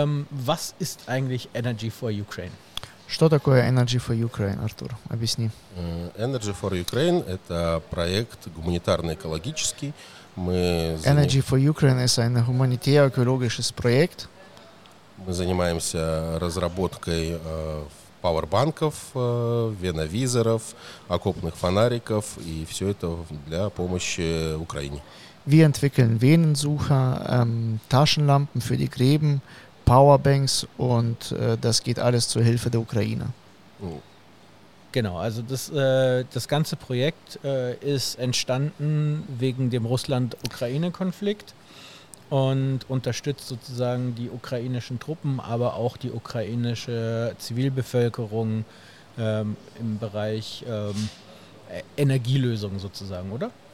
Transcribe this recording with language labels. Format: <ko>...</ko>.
<de>Was ist eigentlich Energy for Ukraine?</de> <ru>Что такое Energy for Ukraine, Артур? Объясни. Energy for Ukraine – это проект гуманитарно-экологический. Energy for Ukraine – это гуманитарно-экологический проект. Мы занимаемся разработкой пауэрбанков, веновизоров, окопных фонариков и все это для помощи Украине.</ru> <de>Wir entwickeln Venensucher, Taschenlampen für die Gräben, Powerbanks und das geht alles zur Hilfe der Ukraine. Genau, also das ganze Projekt ist entstanden wegen dem Russland-Ukraine-Konflikt und unterstützt sozusagen die ukrainischen Truppen, aber auch die ukrainische Zivilbevölkerung im Bereich Energielösungen sozusagen, oder?</de>